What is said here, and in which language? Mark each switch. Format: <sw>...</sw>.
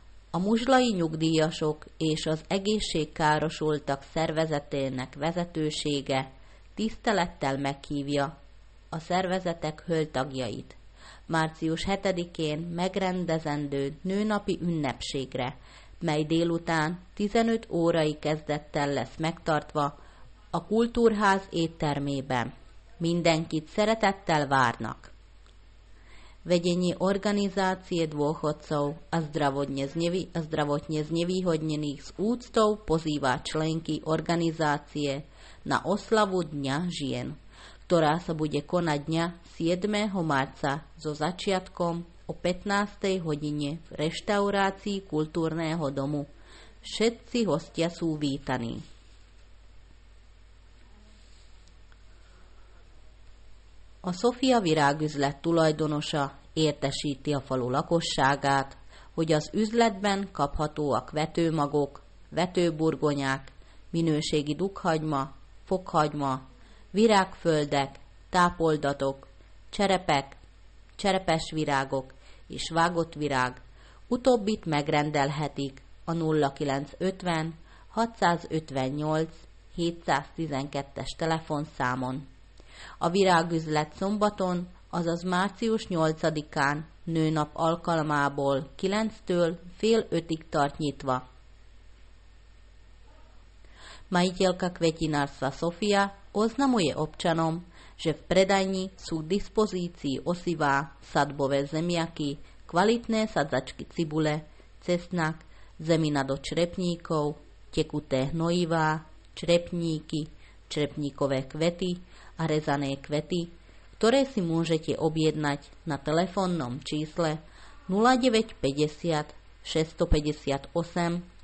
<hu>A muzslai nyugdíjasok és az egészségkárosultak szervezetének vezetősége tisztelettel meghívja a szervezetek hőltagjait március 7-én megrendezendő nőnapi ünnepségre, mely délután 15 órai kezdettel lesz megtartva a Kultúrház éttermében. Mindenkit szeretettel várnak.</hu> <sk>Vedenie organizácie dôchodcov a zdravotne znevýhodnených z úctou pozýva členky organizácie na oslavu Dňa žien, ktorá sa bude konať dňa 7. marca so začiatkom o 15. hodine v reštaurácii kultúrneho domu. Všetci hostia sú vítaní.</sk> <hu>A Szofia virágüzlet tulajdonosa értesíti a falu lakosságát, hogy az üzletben kaphatóak vetőmagok, vetőburgonyák, minőségi dukhagyma, fokhagyma, virágföldek, tápoldatok, cserepek, cserepes virágok és vágott virág. Utóbbit megrendelhetik a 0950 658 712-es telefonszámon. A virágüzlet szombaton, azaz március 8-án, nőnap alkalmából 9-től 4:30-ig tart nyitva.</hu> <sk>Majiteľka kvetinárstva Sofia oznamuje občanom, že v predajni sú k dispozícii osivá, sadbové zemiaky, kvalitné sadzačky cibule, cesnak, zemina do črepníkov, tekuté hnojivá, črepníky, črepníkové kvety a rezané kvety, ktoré si môžete objednať na telefónnom čísle 0950 658 712.</sk>